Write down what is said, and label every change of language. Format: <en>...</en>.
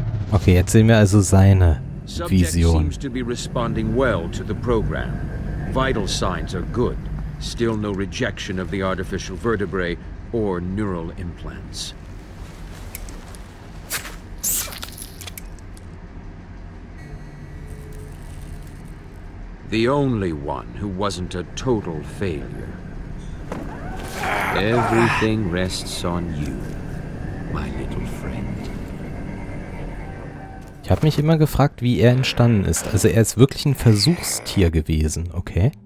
<de>Okay, jetzt sehen wir also seine Vision.</de> <en>Subject seems to be responding well to the program. Vital signs are good. Still no rejection of the artificial vertebrae or neural implants. The only one who wasn't a total failure. Everything rests on you, my little friend.</en> <de>Ich habe mich immer gefragt, wie er entstanden ist. Also er ist wirklich ein Versuchstier gewesen, okay?</de>